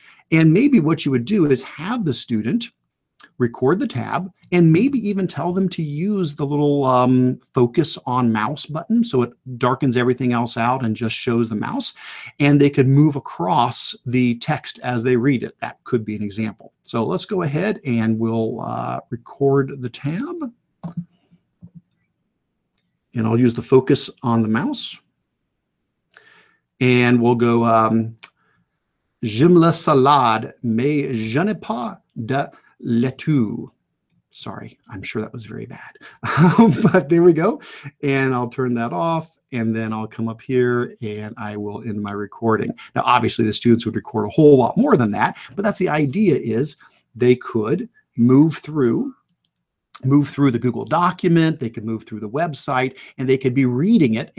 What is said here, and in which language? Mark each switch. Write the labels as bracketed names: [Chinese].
[English] And maybe what you would do is have the student record the tab and maybe even tell them to use the little focus on mouse button so it darkens everything else out and just shows the mouse, and they could move across the text as they read it. That could be an example. So let's go ahead and we'll record the tab. And I'll use the focus on the mouse. And we'll go, [French] j'aime la salade, mais je n'ai pas de Letu. [English] Sorry, I'm sure that was very bad. But there we go. And I'll turn that off. And then I'll come up here and I will end my recording. Now, obviously, the students would record a whole lot more than that. But that's the idea, is they could move through the Google document, they could move through the website, and they could be reading it.